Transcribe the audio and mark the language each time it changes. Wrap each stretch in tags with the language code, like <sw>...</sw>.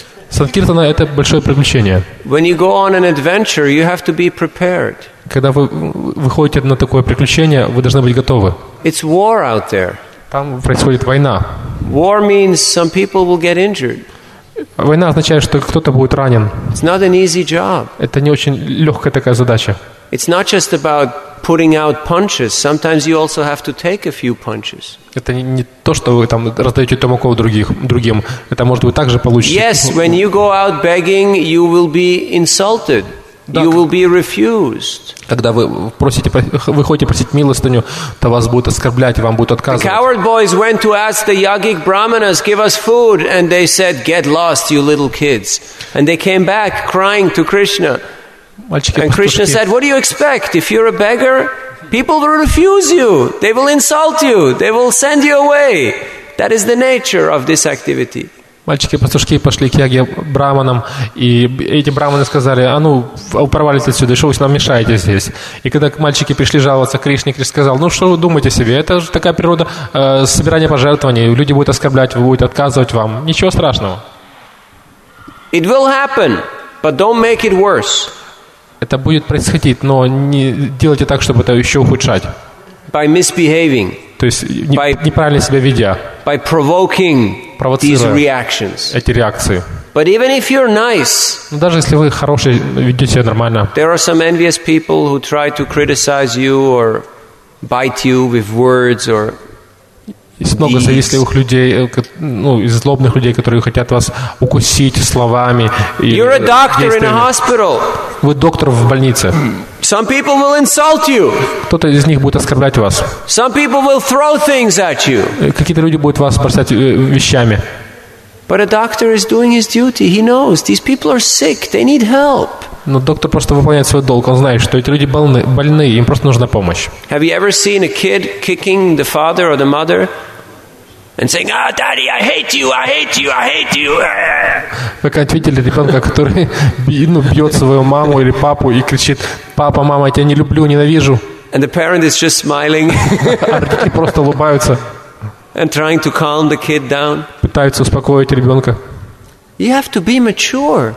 <ru>Санкиртана – это большое приключение.</ru> <en>When you go on an adventure, you have to be prepared.</en> <ru>Когда вы выходите на такое приключение, вы должны быть готовы.</ru> <en>It's war out there.</en> <ru>Там происходит война.</ru> <en>War means some people will get injured.</en> <ru>Война означает, что кто-то будет ранен.</ru> <en>It's not an easy job.</en> <ru>Это не очень легкая такая задача.</ru> <en>It's not just about putting out punches. Sometimes you also have to take a few punches.</en> <ru>Это не то, что вы там раздаете тумаков другим. Это может быть также получится.</ru> <en>Yes, when you go out begging, you will be insulted.</en> <ru>Да,</ru> <en>you will be refused.</en> <ru>Когда вы просите, выходите просить милостыню, то вас будут оскорблять, вам будут отказывать.</ru> <en>The coward boys went to ask the yogic brahmanas, give us food, and they said, get lost, you little kids. And they came back crying to Krishna.</en> <ru>Мальчики,</ru> <en>and Krishna said, what do you expect? If you're a beggar, people will refuse you. They will insult you. They will send you away. That is the nature of this activity.</en> <ru>Мальчики-пастушки пошли к яге браманам, и эти браманы сказали, а ну, упорвались отсюда, что вы нам мешаете здесь? И когда мальчики пришли жаловаться, Кришне, Кришна сказал, ну что вы думаете о себе? Это же такая природа собирания пожертвований. Люди будут оскорблять, будут отказывать вам. Ничего страшного.</ru> <en>It will happen, but don't make it worse.</en> <ru>Это будет происходить, но не делайте так, чтобы это еще ухудшать.</ru> <en>By misbehaving.</en> <ru>То есть неправильно себя ведя.</ru> <en>By provoking these reactions.</en> <ru>Эти реакции.</ru> <en>But even if you're nice.</en> <ru>Но даже если вы хороший, ведете себя нормально.</ru> <en>There are some envious people who try to criticize you or bite you with words or</en> <ru>Есть много завистливых людей, ну, злобных людей, которые хотят вас укусить словами.</ru> <en>You're a doctor in a hospital.</en> <ru>Вы доктор в больнице.</ru> <en>Some people will insult you.</en> <ru>Кто-то из них будет оскорблять вас.</ru> <en>Some people will throw things at you.</en> <ru>Какие-то люди будут вас бросать вещами.</ru> <en>But a doctor is doing his duty. He knows these people are sick. They need help.</en> <ru>Но доктор просто выполняет свой долг. Он знает, что эти люди больны, им просто нужна помощь.</ru> <en>Have you ever seen a kid kicking the father or the mother and saying, "Ah, daddy, I hate you, I hate you, I hate you"?</en> <ru>Вы когда-нибудь видели ребенка, который бьет свою маму или папу и кричит: "Папа, мама, я тебя не люблю, ненавижу"?</ru> <en>And the parent is just smiling.</en> <ru>А родители просто улыбаются.</ru> <en>And trying to calm the kid down.</en> <ru>Пытаются успокоить ребенка.</ru> <en>You have to be mature.</en>